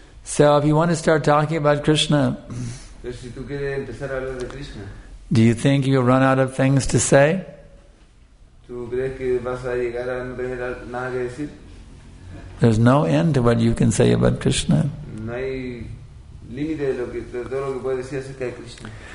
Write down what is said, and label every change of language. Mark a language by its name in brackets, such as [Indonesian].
[English] So if you want to start talking about Krishna, [Spanish] pero si tú quieres empezar a hablar de Krishna, [English] do you think you'll run out of things to say? [Spanish] ¿Tú crees que vas a llegar a no tener nada que decir? [English] There's no end to what you can say about Krishna. [Spanish] No hay límite de lo que, de todo lo que puedes decir acerca de Krishna.